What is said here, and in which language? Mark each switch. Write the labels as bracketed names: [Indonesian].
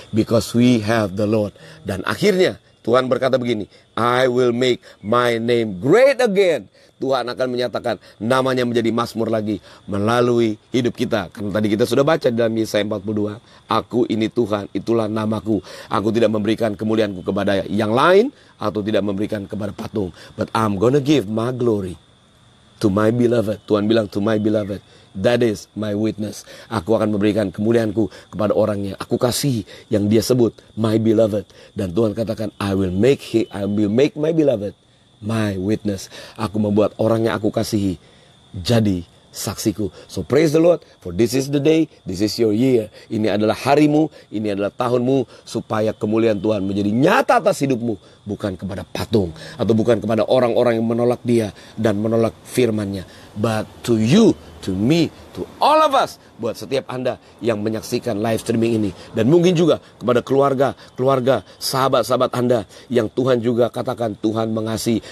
[English] Because we have the Lord. [Indonesian] Dan akhirnya Tuhan berkata begini, [English] I will make my name great again. [Indonesian] Tuhan akan menyatakan namanya menjadi mazmur lagi melalui hidup kita. Karena tadi kita sudah baca dalam Yesaya 42, aku ini Tuhan, itulah namaku. Aku tidak memberikan kemuliaanku kepada yang lain atau tidak memberikan kepada patung. [English] But I'm gonna give my glory to my beloved. [Indonesian] Tuhan bilang [English] to my beloved, that is my witness. [Indonesian] Aku akan memberikan kemuliaanku kepada orang yang aku kasihi, yang dia sebut [English] my beloved. [Indonesian] Dan Tuhan katakan, [English] I will make my beloved my witness. [Indonesian] Aku membuat orang yang aku kasihi jadi saksiku. [English] So praise the Lord, for this is the day, this is your year. [Indonesian] Ini adalah harimu, ini adalah tahunmu, supaya kemuliaan Tuhan menjadi nyata atas hidupmu. Bukan kepada patung, atau bukan kepada orang-orang yang menolak dia dan menolak firman-Nya, [English] but to you, to me, to all of us, [Indonesian] buat setiap Anda yang menyaksikan live streaming ini, dan mungkin juga kepada keluarga, sahabat-sahabat Anda yang Tuhan juga katakan Tuhan mengasihi.